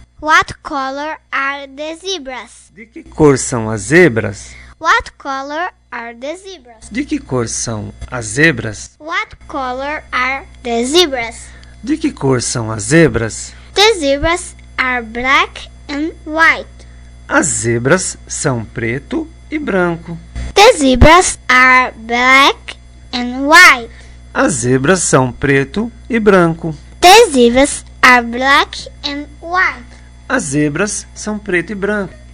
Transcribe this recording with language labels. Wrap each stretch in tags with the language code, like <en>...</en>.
<en>What color are the zebras?</en> <pt>De que cor são as zebras?</pt> <en>What color are the zebras?</en> <pt>De que cor são as zebras?</pt> <en>What color are the zebras?</en> <pt>De que cor são as zebras?</pt> <en>The zebras are black and white.</en> <pt>As zebras são preto e branco.</pt> <en>The zebras are black and white.</en> <pt>As zebras são preto e branco.</pt> <en>The zebras are black and white.</en> <pt>As zebras são preto e branco.</pt>